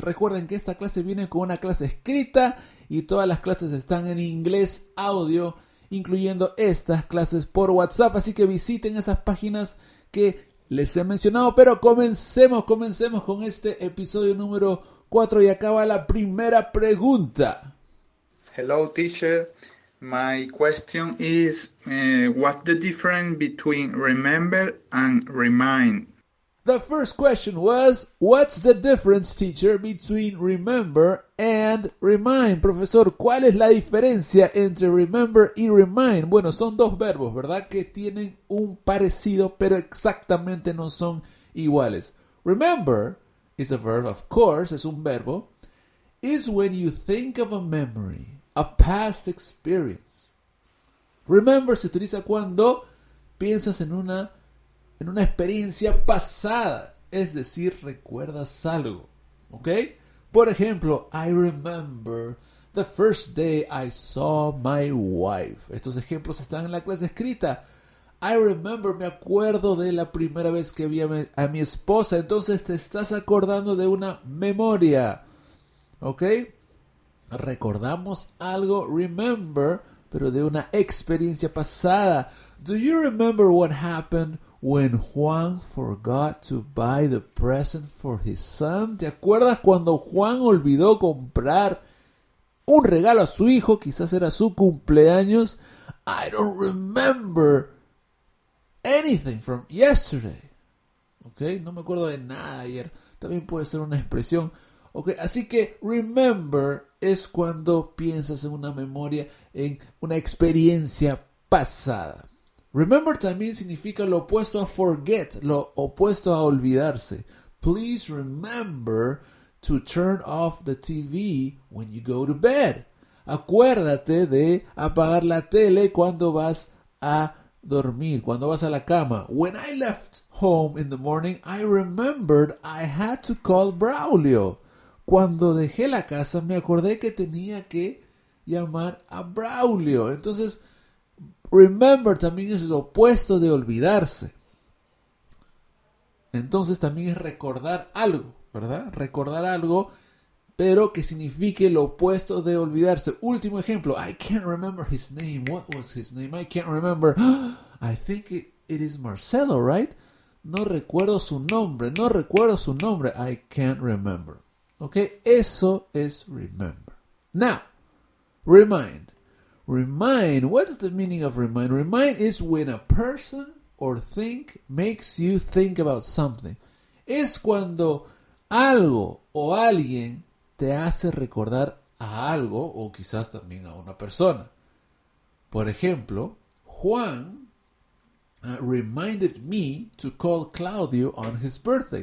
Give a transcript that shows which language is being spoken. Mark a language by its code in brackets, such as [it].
[es] Recuerden que esta clase viene con una clase escrita y todas las clases están en inglés audio, incluyendo estas clases por WhatsApp. Así que visiten esas páginas que les he mencionado. Pero comencemos con este episodio número 4 y acaba la primera pregunta. [en] Hello, teacher. My question is, what's the difference between remember and remind? The first question was, what's the difference, teacher, between remember and remind? [es] Profesor, ¿cuál es la diferencia entre remember y remind? Bueno, son dos verbos, ¿verdad? Que tienen un parecido, pero exactamente no son iguales. [en] Remember is a verb, of course, [es] es un verbo, [en] is when you think of a memory, a past experience. [es] Remember se utiliza cuando piensas en una experiencia pasada, es decir, recuerdas algo, ¿ok? Por ejemplo, [en] I remember the first day I saw my wife. [es] Estos ejemplos están en la clase escrita. [en] I remember, [es] me acuerdo de la primera vez que vi a mi esposa. Entonces te estás acordando de una memoria, ¿ok? Recordamos algo, remember, pero de una experiencia pasada. [en] Do you remember what happened when Juan forgot to buy the present for his son? [es] ¿Te acuerdas cuando Juan olvidó comprar un regalo a su hijo? Quizás era su cumpleaños. [en] I don't remember anything from yesterday. [es] Ok, no me acuerdo de nada de ayer. También puede ser una expresión. Ok, así que remember es cuando piensas en una memoria, en una experiencia pasada. Remember también significa lo opuesto a forget, lo opuesto a olvidarse. [en] Please remember to turn off the TV when you go to bed. [es] Acuérdate de apagar la tele cuando vas a dormir, cuando vas a la cama. [en] When I left home in the morning, I remembered I had to call Braulio. [es] Cuando dejé la casa, me acordé que tenía que llamar a Braulio. Entonces, remember también es lo opuesto de olvidarse. Entonces, también es recordar algo, ¿verdad? Recordar algo, pero que signifique lo opuesto de olvidarse. [en] Último ejemplo. I can't remember his name. What was his name? I can't remember. I think it is Marcelo, right? [es] No recuerdo su nombre. No recuerdo su nombre. [en] I can't remember. [es] Ok, eso es remember. [en] Now, remind. Remind, what is the meaning of remind? Remind is when a person or thing makes you think about something. [es] Es cuando algo o alguien te hace recordar a algo o quizás también a una persona. Por ejemplo, [en] Juan reminded me to call Claudio on his birthday.